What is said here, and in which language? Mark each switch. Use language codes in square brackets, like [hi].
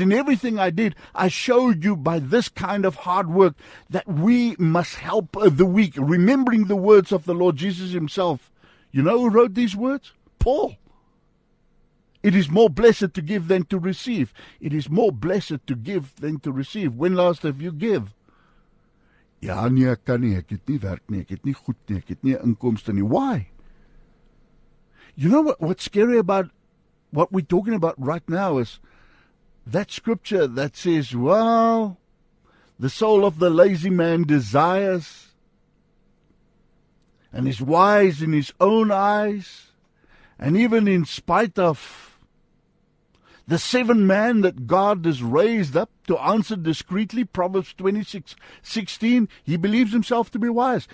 [en] In everything I did, I showed you by this kind of hard work that we must help the weak. Remembering the words of the Lord Jesus himself. You know who wrote these words? Paul. It is more blessed to give than to receive. It is more blessed to give than to receive. When last have you given? [af] Ja, nee, ek kan nie, ek het nie werk nie, ek het nie goed nie, ek het nie inkomste nie. [en] Why? You know what's scary about what we're talking about right now is that scripture that says, well, the soul of the lazy man desires and is wise in his own eyes, and even in spite of the seven men that God has raised up to answer discreetly, Proverbs 26:16, he believes himself to be wise.